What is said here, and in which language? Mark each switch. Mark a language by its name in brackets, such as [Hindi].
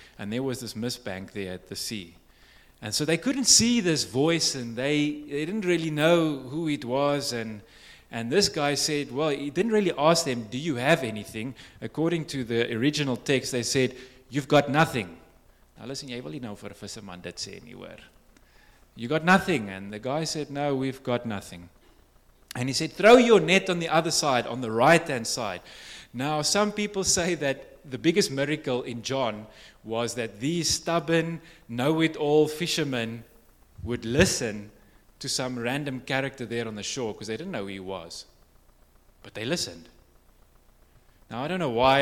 [English] And there was this mist bank there at the sea. And so they couldn't see this voice, and they didn't really know who it was, and this guy said, well, he didn't really ask them, do you have anything? According to the original text, they said, you've got nothing. Now listen, [Afrikaans] jy wil nie nou vir 'n visserman dit sê nie hoor. [English] You got nothing. And the guy said, no, we've got nothing. And he said, throw your net on the other side, on the right-hand side. Now, some people say that the biggest miracle in John was that these stubborn, know-it-all fishermen would listen to some random character there on the shore, because they didn't know who he was. But they listened. Now, I don't know why.